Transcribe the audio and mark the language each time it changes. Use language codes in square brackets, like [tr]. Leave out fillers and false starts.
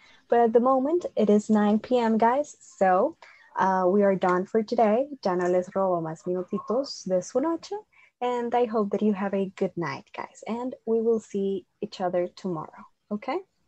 [en] But at the moment, it is 9 p.m., guys. So we are done for today. [es] Ya no les robo más minutitos de su noche. [en] And I hope that you have a good night, guys. And we will see each other tomorrow, okay?